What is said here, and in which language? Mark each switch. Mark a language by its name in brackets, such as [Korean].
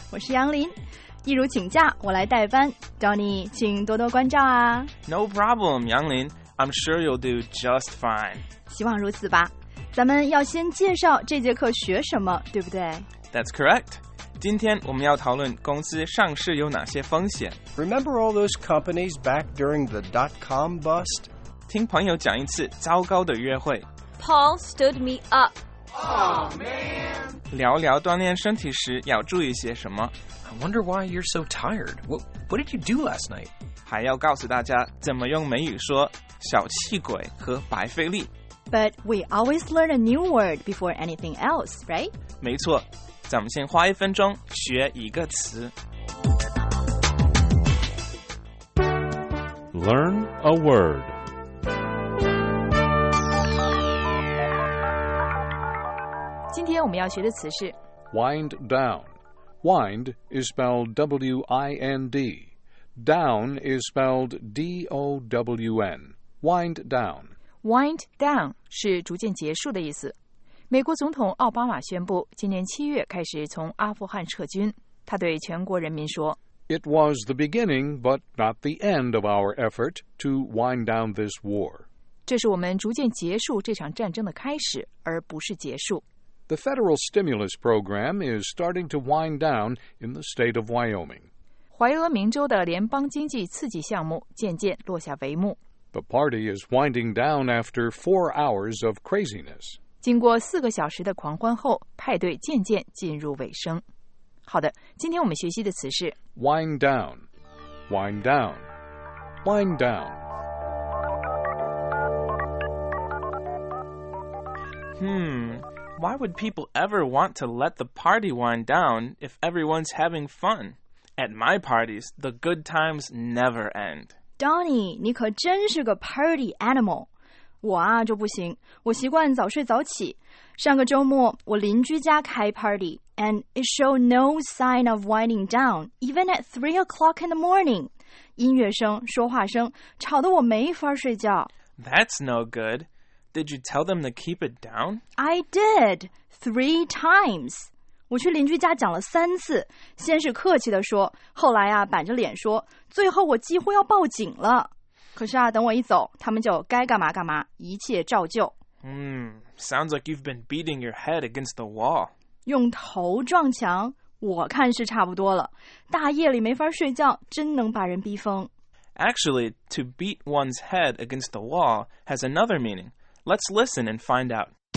[Chinese] 我是杨林。一如请假，我来代班。Danny， 请多多关照啊。 [English] No problem， 杨林， I'm sure you'll do just fine。 [Chinese] 希望如此吧。咱们要先介绍这节课学什么，对不对？ [English] That's correct。 [Chinese] 今天我们要讨论公司上市有哪些风险。 [English] Remember all those companies back during the dot-com bust? [Chinese] 听朋友讲一次糟糕的约会。 [English] Paul stood me up. Oh man. [Chinese] 聊聊锻炼身体时要注意些什么。 [English] I wonder why you're so tired. What did you do last night? [Chinese] 还要告诉大家怎么用美语说小气鬼和白费力。 [English] But we always learn a new word before anything else, right? [Chinese] 没错，咱们先花一分钟学一个词。 [English] Learn a word. [Chinese] 今天我们要学的词是 [English] wind down. Wind is spelled W-I-N-D. Down is spelled D-O-W-N. Wind down. [Chinese] Wind down 是逐渐结束的意思。美国总统奥巴马宣布今年七月开始从阿富汗撤军。他对全国人民说 [English] It was the beginning but not the end of our effort to wind down this war. [Chinese] 这是我们逐渐结束这场战争的开始，而不是结束。 [English] The federal stimulus program is starting to wind down in the state of Wyoming. [Chinese] 怀俄明州的联邦经济刺激项目渐渐落下帷幕。 [English] The party is winding down after 4 hours of craziness. [Chinese] 经过四个小时的狂欢后，派对渐渐进入尾声。好的，今天我们学习的词是 [English] wind down, wind down, wind down. Why would people ever want to let the party wind down if everyone's having fun? At my parties, the good times never end. [Chinese] Donnie, 你可真是个 [English] party animal. [Chinese] 我啊就不行，我习惯早睡早起。上个周末，我邻居家开 [English] party, and it showed no sign of winding down, even at 3 o'clock in the morning. [Chinese] 音乐声、说话声吵得我没法睡觉。 [English] That's no good. Did you tell them to keep it down? I did, 3 times. [Chinese] 我去邻居家讲了三次，先是客气地说，后来啊，板着脸说，最后我几乎要报警了。可是啊，等我一走，他们就该干嘛干嘛，一切照旧。 [English] Sounds like you've been beating your head against the wall. [Chinese] 用头撞墙，我看是差不多了。大夜里没法睡觉，真能把人逼疯。 [English] Actually, to beat one's head against the wall has another meaning. Let's listen and find out.